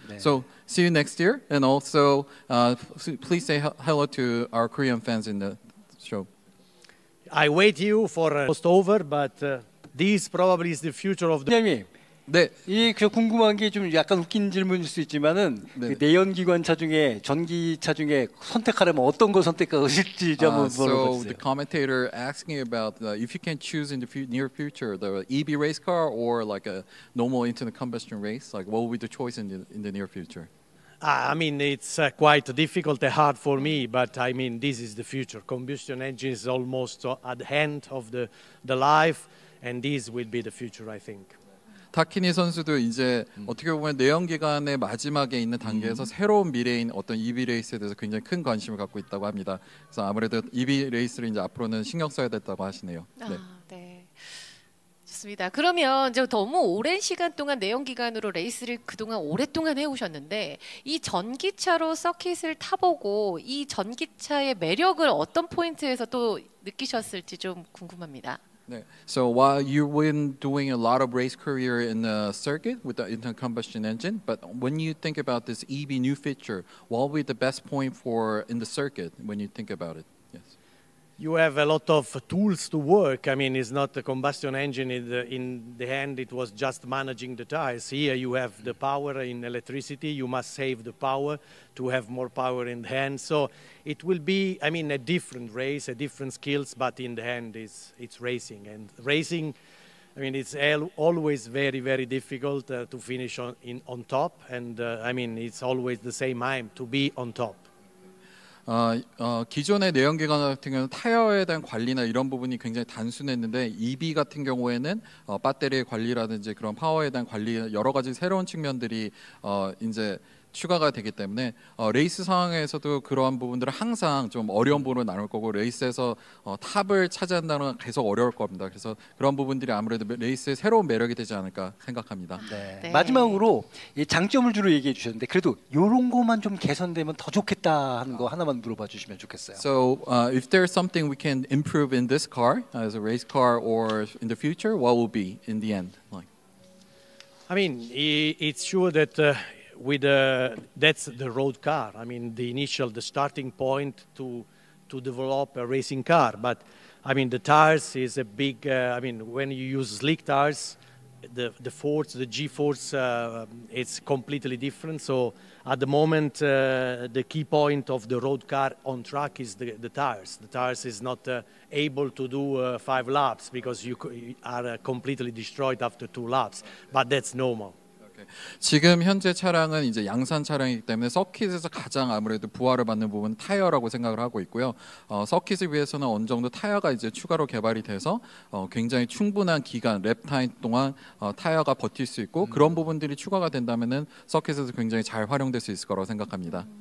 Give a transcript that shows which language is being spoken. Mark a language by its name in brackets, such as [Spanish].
[Korean] 네. [English] So, see you next year. And also, please say hello to our Korean fans in the show. I wait you for almost over, but this probably is the future of the... [Korean] 네, 이 그 궁금한 게 좀 약간 웃긴 질문일 수 있지만은 그 내연기관 차 중에 전기차 중에 선택하려면 어떤 걸 선택하실지 좀 물어보세요. [English] So the commentator asking about if you can choose in the near future the EV race car or like a normal internal combustion race, like what would be the choice in the near future? I mean, it's quite difficult and hard for me, but I mean, this is the future. Combustion engine is almost at the end of the life, and this will be the future, I think. [Korean] 타키니 선수도 이제 어떻게 보면 내연기관의 마지막에 있는 단계에서 새로운 미래인 어떤 EV 레이스에 대해서 굉장히 큰 관심을 갖고 있다고 합니다. 그래서 아무래도 EV 레이스를 이제 앞으로는 신경 써야 됐다고 하시네요. 네. 좋습니다. 그러면 이제 너무 오랜 시간 동안 내연기관으로 레이스를 그동안 오랫동안 해오셨는데 이 전기차로 서킷을 타보고 이 전기차의 매력을 어떤 포인트에서 또 느끼셨을지 좀 궁금합니다. [English] So while you've been doing a lot of race career in the circuit with the internal combustion engine, but when you think about this EV new feature, what will be the best point for in the circuit when you think about it? Yes. You have a lot of tools to work. I mean, it's not a combustion engine. In the end, it was just managing the tires. Here you have the power in electricity. You must save the power to have more power in the end. So it will be, I mean, a different race, a different skills, but in the end, it's racing. And racing, I mean, it's always very, very difficult to finish on top. And I mean, it's always the same time to be on top. [Korean] 기존의 내연기관 같은 경우는 타이어에 대한 관리나 이런 부분이 굉장히 단순했는데 EV 같은 경우에는 배터리의 관리라든지 그런 파워에 대한 관리 여러 가지 새로운 측면들이 이제 추가가 되기 때문에 레이스 상황에서도 그러한 부분들은 항상 좀 어려운 부분을 나눌 거고 레이스에서 탑을 차지한다는 건 계속 어려울 겁니다. 그래서 그런 부분들이 아무래도 레이스의 새로운 매력이 되지 않을까 생각합니다. 네. 마지막으로 장점을 주로 얘기해 주셨는데 그래도 이런 것만 좀 개선되면 더 좋겠다 하는 거 하나만 물어봐 주시면 좋겠어요. [English] So if there's something we can improve in this car as a race car or in the future, what will be in the end? Like? I mean, it's sure that with that's the road car. I mean, the starting point to develop a racing car. But I mean, the tires is a big. I mean, when you use slick tires, the force, the G force, it's completely different. So at the moment, the key point of the road car on track is the tires. The tires is not able to do five laps because you are completely destroyed after two laps. But that's normal. [Korean] 지금 현재 차량은 이제 양산 차량이기 때문에 서킷에서 가장 아무래도 부하를 받는 부분은 타이어라고 생각을 하고 있고요. 서킷을 위해서는 어느 정도 타이어가 이제 추가로 개발이 돼서 굉장히 충분한 기간, 랩타임 동안 타이어가 버틸 수 있고 그런 부분들이 추가가 된다면은 서킷에서 굉장히 잘 활용될 수 있을 거라고 생각합니다.